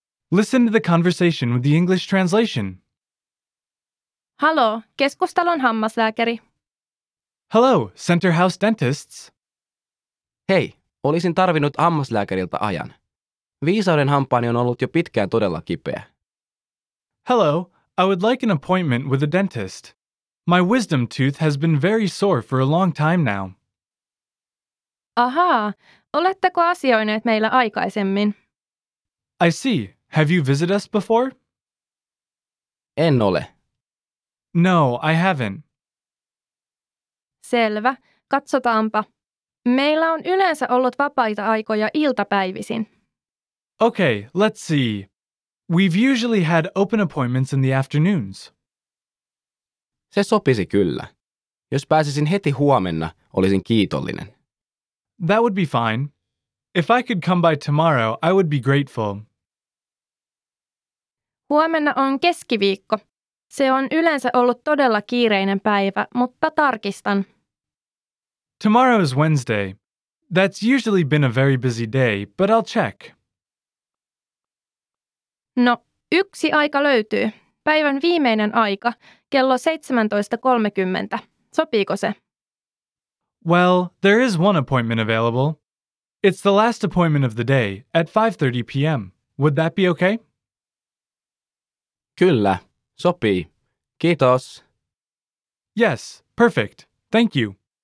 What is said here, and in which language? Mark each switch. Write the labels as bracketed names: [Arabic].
[English] Listen to the conversation with the English translation. [Finnish] Hello, keskustalon hammaslääkäri. [English] Hello, Center House Dentists. [Finnish] Hei, olisin tarvinnut hammaslääkäriltä ajan. Viisauden hampaani on ollut jo pitkään todella kipeä. [English] Hello, I would like an appointment with a dentist. My wisdom tooth has been very sore for a long time now. [Finnish] Ahaa, oletteko asioineet meillä aikaisemmin? [English] I see. Have you visited us before? [Finnish] En ole. [English] No, I haven't. [Finnish] Selvä, katsotaanpa. Meillä on yleensä ollut vapaita aikoja iltapäivisin. [English] Okay, let's see. We've usually had open appointments in the afternoons. [Finnish] Se sopisi kyllä. Jos pääsisin heti huomenna, olisin kiitollinen. [English] That would be fine. If I could come by tomorrow, I would be grateful. [Finnish] Huomenna on keskiviikko. Se on yleensä ollut todella kiireinen päivä, mutta tarkistan. [English] Tomorrow is Wednesday. That's usually been a very busy day, but I'll check. [Finnish] No, yksi aika löytyy. Päivän viimeinen aika, kello 17.30. Sopiiko se? [English] Well, there is one appointment available. It's the last appointment of the day, at 5:30 p.m. Would that be okay? [Finnish] Kyllä, sopii. Kiitos. [English] Yes, perfect. Thank you.